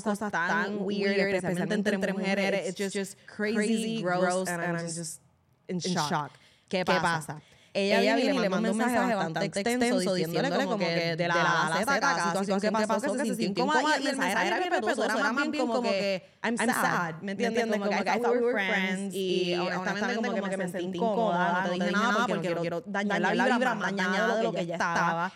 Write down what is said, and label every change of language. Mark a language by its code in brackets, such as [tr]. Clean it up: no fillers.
[es] Todas las mujeres están peleando cada una. Yo no sé qué está pasando. Hay tantas cancelaciones y tantas cosas tan weird, especialmente entre mujeres. [en] It's just crazy, gross, and I'm just in shock. [es] ¿Qué pasa? Ella viene y le manda un mensaje bastante extenso diciéndole como que de la A a la Z cada situación que pasó, que se sintió incómoda, y el mensaje era bien respetuoso, era más bien como que [en] I'm sad, [es] ¿me entiendes? Como que [en] I thought we were friends, [es] y honestamente como que me sentí incómoda, no te dije nada porque no quiero dañar la vibra más dañada de lo que ya estaba.